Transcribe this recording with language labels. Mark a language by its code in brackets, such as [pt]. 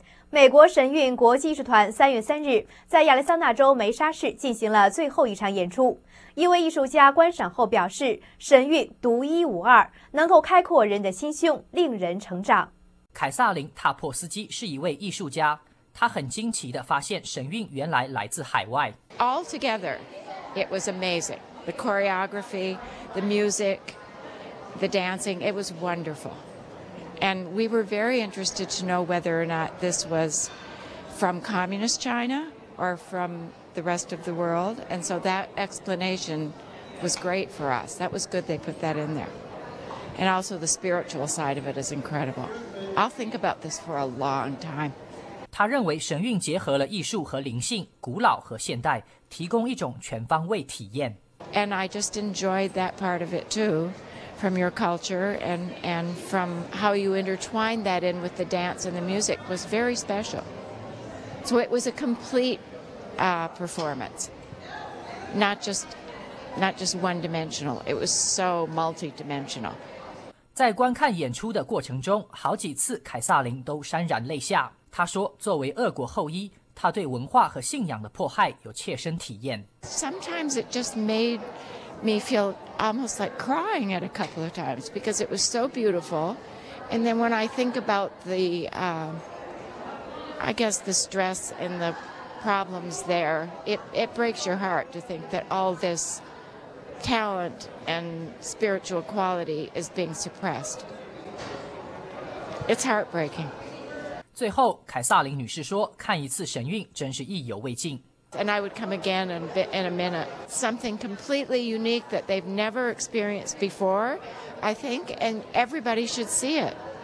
[zh] 美国神韵国际艺术团3月3日在亚利桑那州梅沙市进行了最后一场演出。一位艺术家观赏后表示，神韵独一无二，能够开阔人的心胸，令人成长。凯撒琳·塔珀斯基是一位艺术家，他很惊奇地发现神韵原来来自海外。 [en] All together, it was amazing. The choreography, the music, the dancing, it was wonderful. And we were very interested to know whether or not this was from communist China or from the rest of the world. And so that explanation was great for us. That was good they put that in there. And also the spiritual side of it is incredible. I'll think about this for a long time. [zh] 他认为神韵结合了艺术和灵性，古老和现代，提供一种全方位体验。 [en] And I just enjoyed that part of it too. From your culture and from how you intertwined that in with the dance and the music was very special. So it was a complete performance, not just one dimensional. It was so multi-dimensional. [zh] 在观看演出的过程中，好几次凯撒琳都潸然泪下。她说，作为俄国后裔，她对文化和信仰的迫害有切身体验。 [en] Sometimes it just made. Me feel almost like crying at a couple of times because it was so beautiful. And then when I think about the, I guess the stress and the problems there, it breaks your heart to think that all this talent and spiritual quality is being suppressed. It's heartbreaking. [zh] 最后，凯撒琳女士说，看一次神韵真是意犹未尽。 [en] And I would come again in a minute. Something completely unique that they've never experienced before, I think, and everybody should see it.